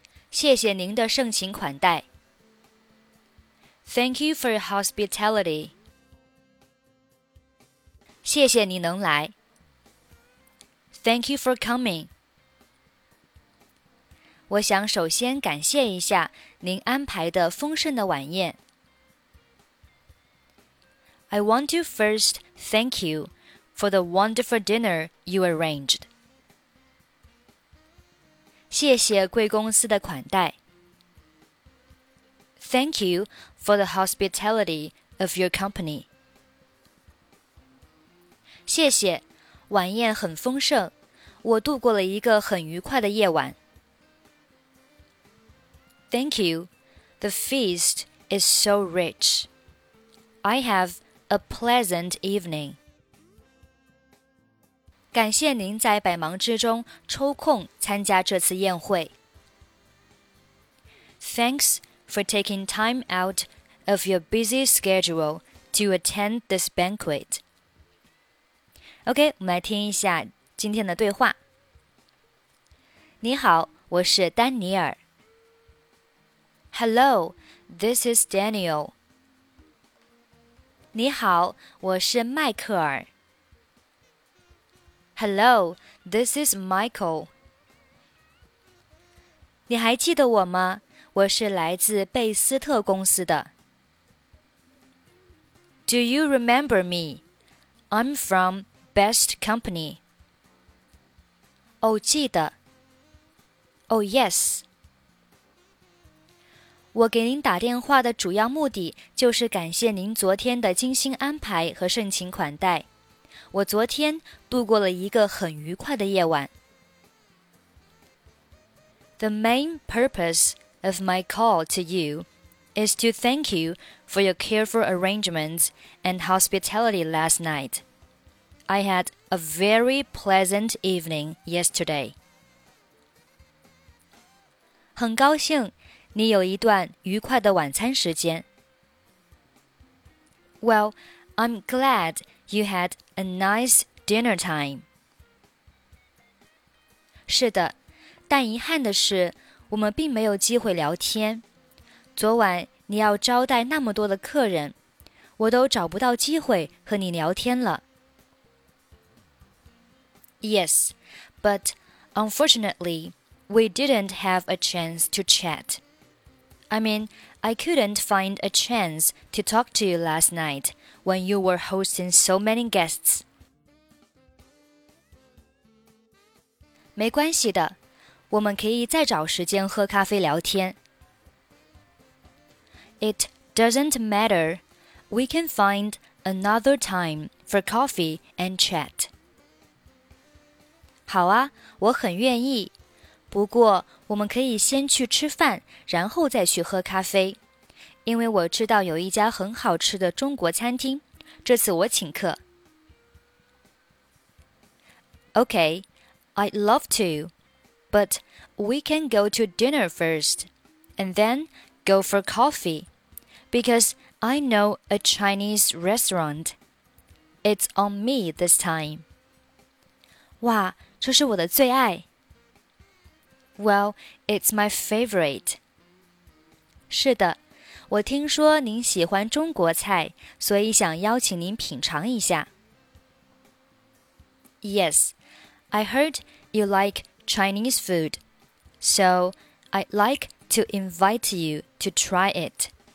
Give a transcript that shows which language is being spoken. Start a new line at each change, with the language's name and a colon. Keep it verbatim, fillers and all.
Chinese: 谢谢您的盛情款待。
English: Thank you for your hospitality.
Chinese: 谢谢你能来。
English: Thank you for coming.
Chinese: 我想首先感谢一下您安排的丰盛的晚宴。
English: I want to first thank you for the wonderful dinner you arranged.
Chinese: 谢谢贵公司的款待。
English: Thank you for the hospitality of your company.
Chinese: 谢谢，晚宴很丰盛，我度过了一个很愉快的夜晚。
English: Thank you. The feast is so rich. I have a pleasant evening.
Chinese: 感谢您在百忙之中抽空参加这次宴会。
English: Thanks for taking time out of your busy schedule to attend this banquet.
Chinese: OK, 我们来听一下今天的对话。你好，我是丹尼尔。
English: Hello, this is Daniel.
Chinese: 你好，我是迈克尔。
English: Hello, this is Michael.
Chinese: 你还记得我吗？我是来自贝斯特公司的。
English: Do you remember me? I'm from... Best company. Oh,
Chinese: 记得。
English: Oh, yes.
Chinese: 我给您打电话的主要目的就是感谢您昨天的精心安排和盛情款待。我昨天度过了一个很愉快的夜晚。
English: The main purpose of my call to you is to thank you for your careful arrangements and hospitality last night. I had a very pleasant evening yesterday.
Chinese: 很高兴你有一段愉快的晚餐时间。
English: Well, I'm glad you had a nice dinner time.
Chinese: 是的，但遗憾的是，我们并没有机会聊天。昨晚你要招待那么多的客人，我都找不到机会和你聊天了。
English: Yes, but unfortunately, we didn't have a chance to chat. I mean, I couldn't find a chance to talk to you last night when you were hosting so many guests.
Chinese: 没关系的，我们可以再找时间喝咖啡聊天。
English: It doesn't matter. We can find another time for coffee and chat.
Chinese: 好啊，我很愿意。不过，我们可以先去吃饭，然后再去喝咖啡。因为我知道有一家很好吃的中国餐厅，这次我请客。
English: Okay, I'd love to, but we can go to dinner first, and then go for coffee, because I know a Chinese restaurant. It's on me this time.
Chinese: 哇，这是我的最爱。
English: Well, it's my favorite.
Chinese: 是的，我听说您喜欢中国菜，所以想邀请您品尝一下。
English: Yes, I heard you like Chinese food, so I'd like to invite you to try it.